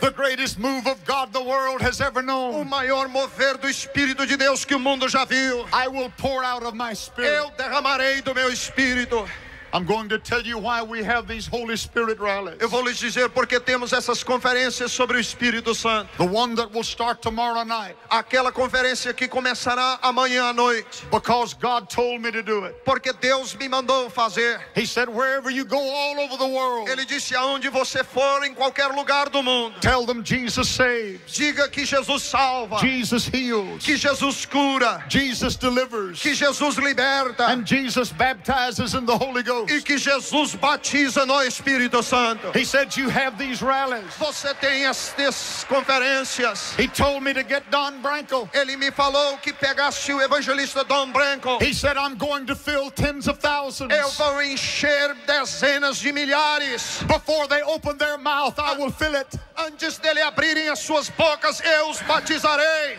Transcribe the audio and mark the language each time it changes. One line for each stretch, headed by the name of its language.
English: The greatest move of God the world has ever known.
Portuguese: O maior mover do Espírito de Deus que o mundo já viu.
English: I will pour out of my Spirit.
Portuguese: Eu derramarei do meu Espírito.
English: I'm going to tell you why we have these Holy Spirit rallies.
Portuguese: Eu vou lhes dizer porque temos essas conferências sobre o Espírito Santo.
English: The one that will start tomorrow night.
Portuguese: Aquela conferência que começará amanhã à noite.
English: Because God told me to do it.
Portuguese: Porque Deus me mandou fazer.
English: He said, wherever you go, all over the world.
Portuguese: Ele disse, aonde você for, em qualquer lugar do mundo.
English: Tell them Jesus saves.
Portuguese: Diga que Jesus salva.
English: Jesus heals.
Portuguese: Que Jesus cura.
English: Jesus delivers.
Portuguese: Que Jesus liberta.
English: And Jesus baptizes in the Holy Ghost.
Portuguese: E que Jesus batiza no Espírito Santo.
English: He said, you have these rallies.
Portuguese: Você tem estas conferências.
English: He told me to get Don Branco.
Portuguese: Ele me falou que pegasse o evangelista Don Branco.
English: He said, I'm going to fill tens of thousands.
Portuguese: Eu vou encher dezenas de milhares.
English: Before they open their mouth, I will fill it.
Portuguese: Antes dele abrirem as suas bocas, eu os batizarei.